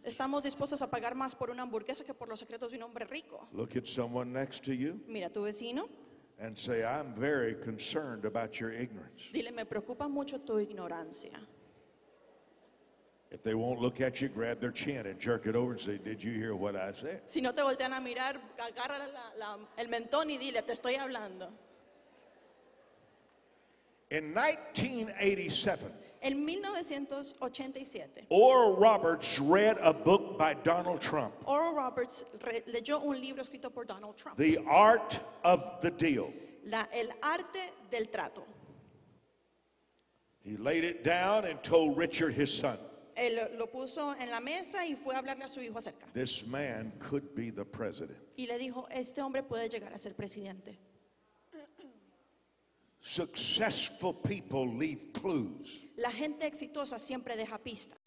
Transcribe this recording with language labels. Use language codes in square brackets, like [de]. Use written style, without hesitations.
[es] Estamos dispuestos a pagar más por una hamburguesa que por los secretos de un hombre rico. [en] Look at someone next to you. [es] Mira a tu vecino. [en] And say, I'm very concerned about your ignorance. [es] Dile, me preocupa mucho tu ignorancia. [en] If they won't look at you, grab their chin and jerk it over and say, did you hear what I said? [es] Si no te voltean a mirar, agarra el mentón y dile, te estoy hablando. [en] In 1987, [es] en 1987, [en] Oral Roberts read a book by Donald Trump. [es] Oral Roberts leyó un libro escrito por Donald Trump. [en] The Art of the Deal. [es] El arte del trato. [en] He laid it down and told Richard, his son. [es] Él lo puso en la mesa y fue a hablarle a su hijo acerca. [en] This man could be the president. [es] Y le dijo, este hombre puede llegar a ser presidente. [en] Successful people leave clues. [es] La gente exitosa siempre deja pistas.